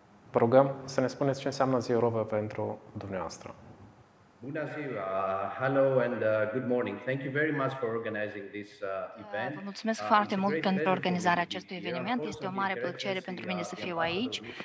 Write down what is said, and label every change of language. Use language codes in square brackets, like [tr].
[ro] Vă rugăm să ne spuneți ce înseamnă Zi Europa pentru dumneavoastră. Bună ziua. [en] Hello and good morning. Thank you very much for organizing this event. [ro] Vă mulțumesc foarte mult pentru organizarea acestui eveniment. Este o mare plăcere pentru mine să fiu aici.